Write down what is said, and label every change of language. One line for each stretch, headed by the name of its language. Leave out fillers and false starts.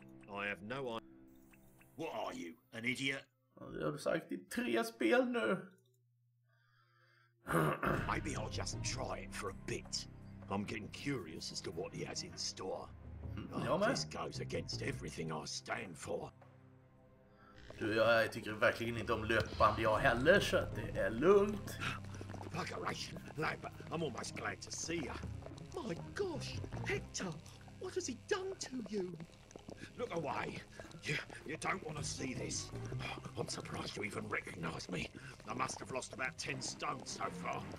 English: I have no idea. What are you, an idiot?
Swedish: Du har sagt i 3 spel nu.
English: Maybe I'll just try it for a bit. I'm getting curious as to what he has in store.
Swedish: Ja, men.
English: This goes against everything I stand for.
Swedish: Du, jag tycker verkligen inte om löpband jag heller, så det är lugnt.
English: Buggeration, Lambert, I'm almost glad to see you. My gosh, Hector, what has he done to you? Look away. You don't want to see this. Oh, I'm surprised you even recognize me. I must have lost about 10 stone so far.